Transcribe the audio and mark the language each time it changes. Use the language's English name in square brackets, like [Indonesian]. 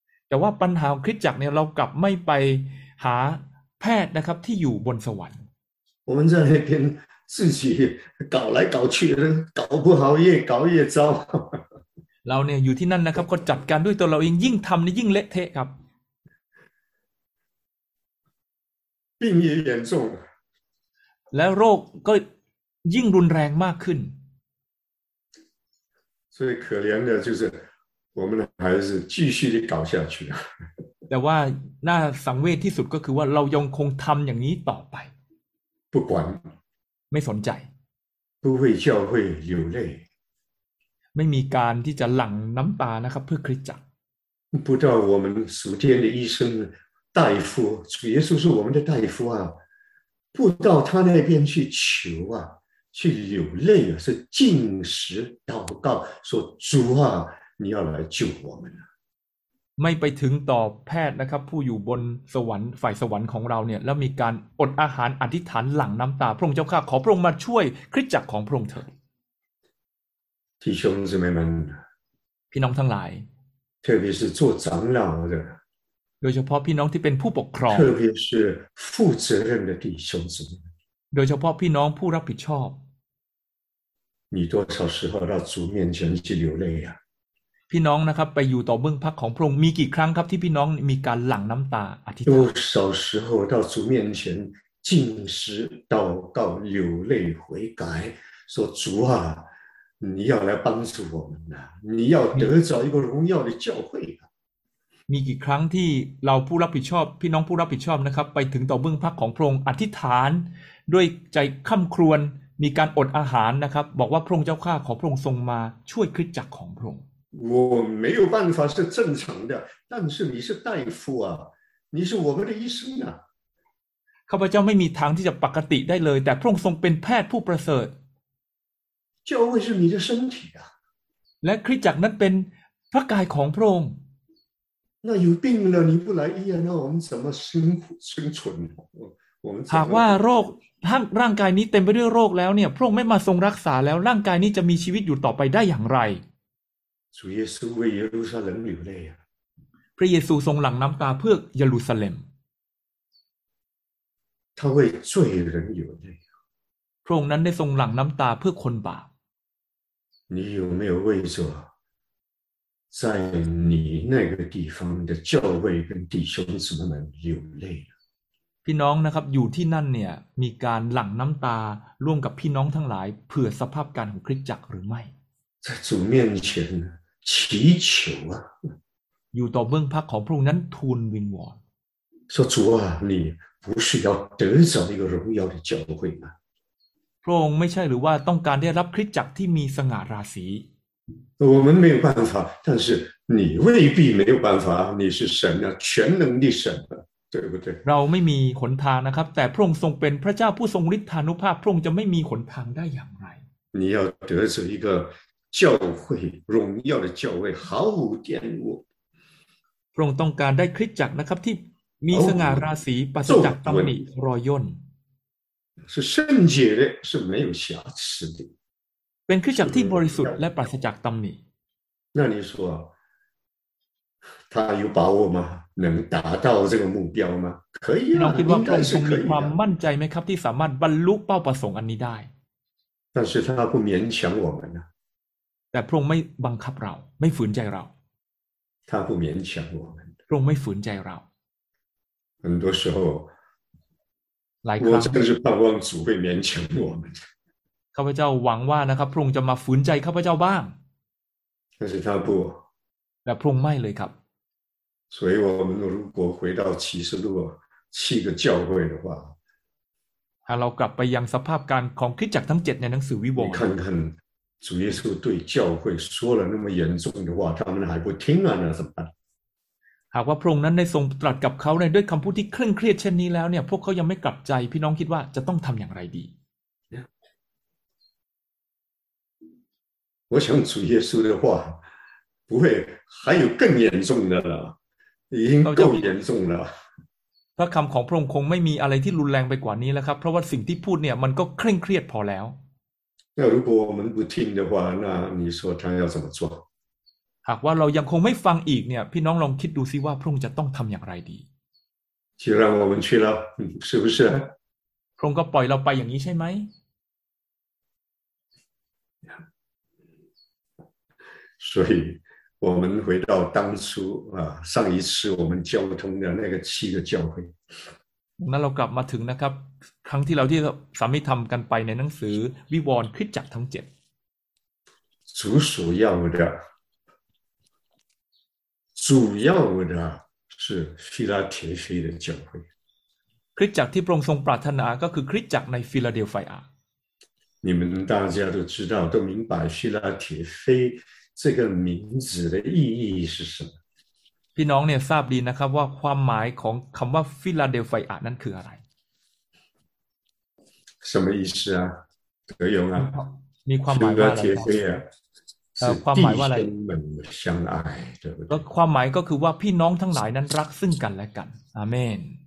[Thai] แต่ว่าปัญหาของคริสตจักรเนี่ยเรากลับไม่ไปหาแพทย์นะครับที่อยู่บนสวรรค์ [Chinese] 我们在那边自己搞来搞去搞不好越搞越糟 [Thai] เราเนี่ยอยู่ที่นั่นนะครับก็จัดการด้วยตัวเราเองยิ่งทำนี่ยิ่งเละเทะครับ [Chinese] 病也严重 [Thai] แล้วโรคก็ยิ่งรุนแรงมากขึ้น [Chinese] 最可怜的就是我们还是继续地搞下去 [Thai] แต่ว่าน่าสังเวชที่สุดก็คือว่าเรายังคงทำอย่างนี้ต่อไป [Chinese] 不管 [Thai] ไม่สนใจ [Chinese] 不为教会流泪 [Thai] ไม่มีการที่จะหลั่งน้ำตานะครับเพื่อคริสตจักร [Chinese] 不知道我们属天的医生大夫主耶稣是我们的大夫啊不到他那边去求啊去流泪啊是进食祷告说主啊你要来救我们 [Thai] ไม่ไปถึงต่อแพทย์นะครับผู้อยู่บนสวรรค์ฝ่ายสวรรค์ของเราเนี่ยแล้วมีการอดอาหารอธิษฐานหลั่งน้ำตาพระองค์เจ้าข้าขอพระองค์มาช่วยคริสตจักรของพระองค์เถิด [Chinese] 弟兄姊妹们 [Thai] พี่น้องทั้งหลาย [Chinese] 特别是做长老的 [Thai] โดยเฉพาะพี่น้องที่เป็นผู้ปกครอง [Chinese] 特别是负责任的弟兄姊妹 [Thai] โดยเฉพาะพี่น้องผู้รับผิดชอบ [Chinese] 你多少时候到主面前去流泪呀 [Thai] พี่น้องนะครับไปอยู่ต่อเบื้องพระของพระองค์มีกี่ครั้งครับที่พี่น้องมีการหลั่งน้ำตาอธิษฐาน [Chinese] โอ้少时候到主面前进食祷告流泪悔改说主啊你要来帮助我们啊你要得着一个荣耀的教会啊 [Thai] มีกี่ครั้งที่เราผู้รับผิดชอบพี่น้องผู้รับผิดชอบนะครับไปถึงต่อเบื้องพระของพระองค์อธิษฐานด้วยใจค่ำครวญมีการอดอาหารนะครับบอกว่าพระองค์เจ้าข้าขอพระองค์ทรงมาช่วยคริสตจักรของพระองค์ [Chinese] 我没有办法是正常的但是你是大夫啊你是我们的医生啊 [Thai] ข้าพเจ้าไม่มีทางที่จะปกติได้เลยแต่พระองค์ทรงเป็นแพทย์ผู้ประเสริฐ [Chinese] 教会是你的身体啊 [Thai] และคริสตจักรนั้นเป็นพระกายของพระองค์ [Chinese] 那有病了你不来医院那我们怎么生存 [Thai] หากว่าโรคร่างกายนี้เต็มไปด้วยโรคแล้วเนี่ยพระองค์ไม่มาทรงรักษาแล้วร่างกายนี้จะมีชีวิตอยู่ต่อไปได้อย่างไร พระเยซูไปเยรูซาเล็มอยู่เลย พระเยซูทรงหลั่งน้ำตาเพื่อเยรูซาเล็ม [Chinese] 他为罪人流泪 [Thai] พระองค์นั้นได้ทรงหลั่งน้ำตาเพื่อคนบาป [Chinese] 你有没有为着在你那个地方的教会跟弟兄姊妹们流泪 [Thai] พี่น้องนะครับอยู่ที่นั่นเนี่ยมีการหลั่งน้ำตาร่วมกับพี่น้องทั้งหลายเผื่อสภาพการของคริสตจักรหรือไม่ [Chinese] 在主面前祈求啊 [Thai] อยู่ต่อเบื้องพระของพระองค์นั้นทูลวิงวอน [Chinese] 说主啊你不是要得着一个荣耀的教会吗 [Thai] พระองค์ไม่ใช่หรือว่าต้องการได้รับคริสตจักรที่มีสง่าราศี [Chinese] 我们没有办法但是你未必没有办法你是神啊全能的神啊对不对 [Thai] เราไม่มีหนทางนะครับแต่พระองค์ทรงเป็นพระเจ้าผู้ทรงฤทธานุภาพพระองค์จะไม่มีหนทางได้อย่างไร [Chinese] 你要得着一个教会荣耀的教会毫无玷污 [Thai] พระองค์ต้องการได้คริสตจักรนะครับที่มีสง่าราศีปราศจากตำหนิรอยย่น [Chinese] 是圣洁的是没有瑕疵的 [Thai] เป็นคริสตจักรที่บริสุทธิ์และปราศจากตำหนินั่ [Chinese] นนี่说他有把握吗能达到这个目标吗可以啊 [Thai] คิดว่าพระองค์มีความมั่นใจไหมครับที่สามารถบรรลุเป้าประสงค์อันนี้ได้ [Chinese] 但是他不勉强我们啊 [Thai] แต่พระองค์ไม่บังคับเราไม่ฝืนใจเรา [Chinese] 他不勉强我们 [Thai] พระองค์ไม่ฝืนใจเรา [Chinese] 很多时候 [Thai] หลายครั้ง [Chinese] 我真是盼望主会勉强我们 [Thai] ข้าพเจ้าหวังว่านะครับพระองค์จะมาฝืนใจข้าพเจ้าบ้าง แต่ถ้าพ ระแต่พระองค์ไม่เลยครับ [Chinese] 所以我们如果回到启示录七个教会的话 [Thai] หากเรากลับไปยังสภาพการของคริสตจักรทั้ง7ในหนังสือวิวรณ์ [Chinese] 你看看主耶稣对教会说了那么严重的话他们还不听啊那怎么办 [Thai] หากว่าพระองค์นั้นได้ทรงตรัสกับเขาในด้วยคำพูดที่เคร่งเครียดเช่นนี้แล้วเนี่ยพวกเขายังไม่กลับใจพี่น้องคิดว่าจะต้องทำอย่างไรดี [Chinese] 我想主耶稣的话不会还有更严重的了已经够严重了 [Thai] พระคำของพระองค์คงไม่มีอะไรที่รุนแรงไปกว่านี้แล้วครับเพราะว่าสิ่งที่พูดเนี่ยมันก็เคร่งเครียดพอแล้ว [Chinese] 那如果我们不听的话那你说他要怎么做 [Thai] หากว่าเรายังคงไม่ฟังอีกเนี่ยพี่น้องลองคิดดูซิว่าพระองค์จะต้องทำอย่างไรดี [Chinese] 就让我们去了是不是 [Thai] พระองค์ก็ปล่อยเราไปอย่างนี้ใช่ไหม [Chinese] 所以我们回到当初啊上一次我们交通的那个七个教会 [Thai] 那เรากลับมาถึงนะครับครั้งที่เราที่สามีทำกันไปในหนังสือวิวรณ์คริสตจักรทั้ง7 [Chinese] 主所要的主要的是菲拉铁菲的教会 [Thai] คริสตจักรที่พระองค์ทรงปรารถนาก็คือคริสตจักรในฟิลาเดลเฟีย [Chinese] 你们大家都知道都明白菲拉铁菲这个名字的意义是什么 [Thai] พี่น้องเนี่ยทราบดีนะครับว่าความหมายของคำว่าฟิลาเดลเฟียนั้นคืออะไร [Chinese] 什么意思啊德勇啊 [Thai] มีความหมายว่าอะไร ครับความหมายว่าอะไร [Chinese] 弟兄们相爱对不对 [Thai] ความหมายก็คือว่าพี่น้องทั้งหลายนั้นรักซึ่งกันและกันอาเมน